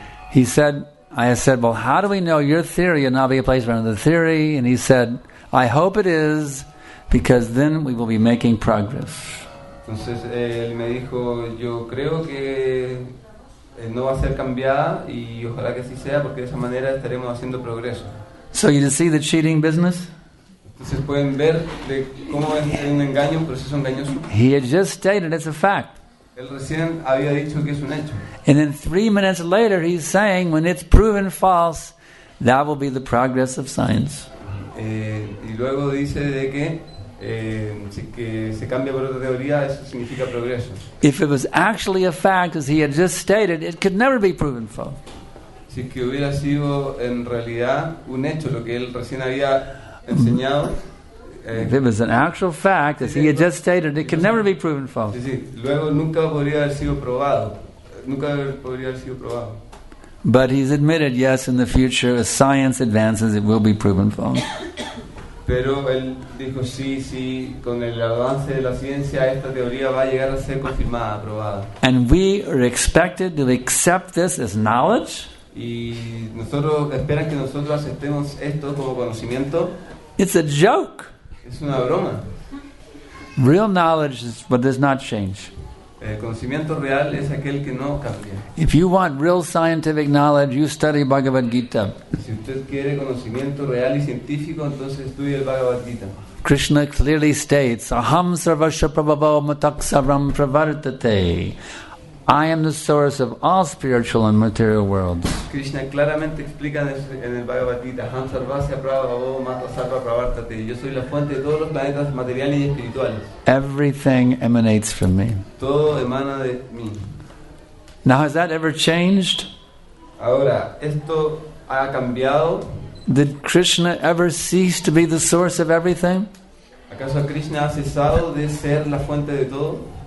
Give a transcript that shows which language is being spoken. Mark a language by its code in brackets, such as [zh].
[en] He said, I said, well, how do we know your theory will not be a place for another theory? And he said, I hope it is, because then we will be making progress. [es] Entonces él me dijo, yo creo que no va a ser cambiada y ojalá que sí sea, porque de esa manera estaremos haciendo progreso. [en] So you see the cheating business? [es] Entonces pueden ver de cómo es un engaño, un proceso engañoso. [en] He had just stated it's a fact. [es] Él recién había dicho que es un hecho. [en] And then 3 minutes later he's saying, when it's proven false, that will be the progress of science. [es] Y luego dice de que que se cambia por otra teoría, eso significa progreso. [en] If it was actually a fact, as he had just stated, it could never be proven false. [es] Si que hubiera sido en realidad un hecho lo que él recién había enseñado. [en] If it was an actual fact, as he had just stated, it could never be proven false. [es] Sí, sí. Luego nunca podría haber sido probado. Nunca podría haber sido probado. [en] But he's admitted, yes, in the future, as science advances, it will be proven false. [es] Pero él dijo, sí, sí, con el avance de la ciencia, esta teoría va a llegar a ser confirmada, aprobada. [en] And we are expected to accept this as knowledge? [es] Y nosotros esperan que nosotros aceptemos esto como conocimiento? [en] It's a joke. [es] Es una broma. [en] Real knowledge is what does not change. [es] El conocimiento real es aquel que no cambia. [en] If you want real scientific knowledge, you study Bhagavad Gita. [es] Si usted quiere conocimiento real y científico, entonces estudie el Bhagavad Gita. [en] Krishna clearly states, [sa] Aham sarvasya prabhava mataksaram pravartate. [en] I am the source of all spiritual and material worlds. [es] Krishna claramente explica en el Bhagavad Gita, [sa] Aham sarvasya prabhava mataksaram pravartate. [es] Yo soy la fuente de todos los planetas materiales y espirituales. [en] Everything emanates from me. [es] Todo emana de mí. [en] Now, has that ever changed? [es] Ahora, esto ha cambiado. [en] Did Krishna ever cease to be the source of everything? [es] ¿Acaso Krishna ha cesado de ser la fuente de todo?